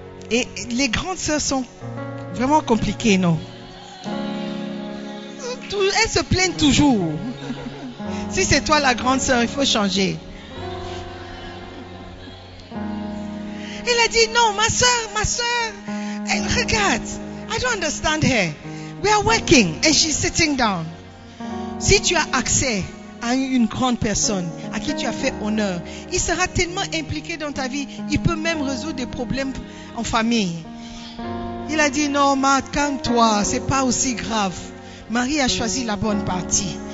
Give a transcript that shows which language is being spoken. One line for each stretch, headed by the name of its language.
French: Et les grandes sœurs sont vraiment compliquées, non? Elles se plaignent toujours. Si c'est toi la grande sœur, il faut changer. Elle a dit, non, ma soeur, elle regarde.
English: I don't understand her. We are working and she's sitting down.
French: Si tu as accès à une grande personne à qui tu as fait honneur, il sera tellement impliqué dans ta vie, il peut même résoudre des problèmes en famille. Il a dit, non, Marthe, calme-toi, c'est pas aussi grave. Marie a choisi la bonne partie.